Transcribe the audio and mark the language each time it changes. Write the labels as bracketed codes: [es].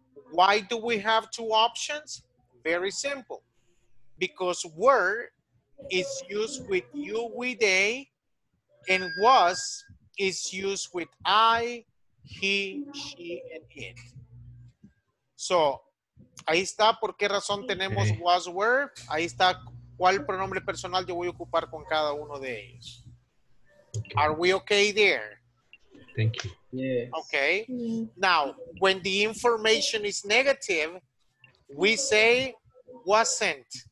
[en] Why do we have two options? Very simple. Because were is used with you, we, they, and was is used with I, he, she, and it. [es] So, ahí está por qué razón tenemos was, were. Ahí está cuál pronombre personal yo voy a ocupar con cada uno de ellos. [en] Okay. Are we okay there? Thank you. Yes. Okay. Mm-hmm. Now, when the information is negative, we say wasn't.